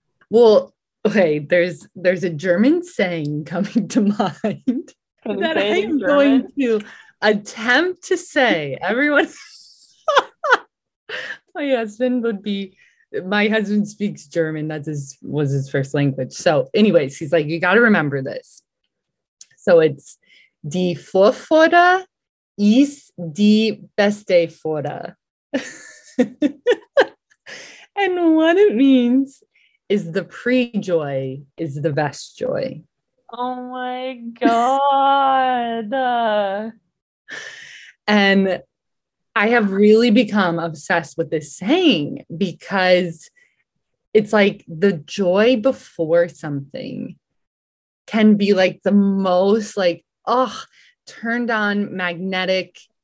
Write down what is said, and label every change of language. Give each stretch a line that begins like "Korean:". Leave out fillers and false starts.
English: Well, okay, there's a German saying coming to mind that I'm going to attempt to say. Everyone... My husband would be, my husband speaks German. That was his first language. So anyways, he's like, you got to remember this. So it's
German: die Vorfreude ist die beste Freude.
English: And what it means is the pre-joy is the best joy. Oh my God. And I have really become obsessed with this saying because it's like the joy before something can be like the most like, oh, turned on, magnetic.